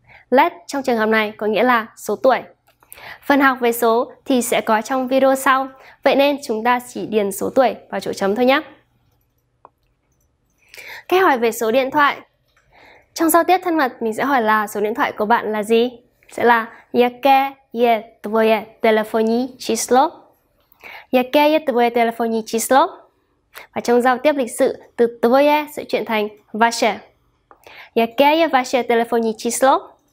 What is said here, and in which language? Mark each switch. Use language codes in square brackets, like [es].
[vi] Let trong trường hợp này có nghĩa là số tuổi. Phần học về số thì sẽ có trong video sau, vậy nên chúng ta chỉ điền số tuổi vào chỗ chấm thôi nhé. Cách hỏi về số điện thoại. Trong giao tiếp thân mật mình sẽ hỏi là số điện thoại của bạn là gì? Sẽ là [cs] jaké je tvoje telefonní číslo. Jaké je tvoje telefonní číslo. [vi] Và trong giao tiếp lịch sự, từ tvoje sẽ chuyển thành vaše. [cs] Jaké je vaše telefonní číslo.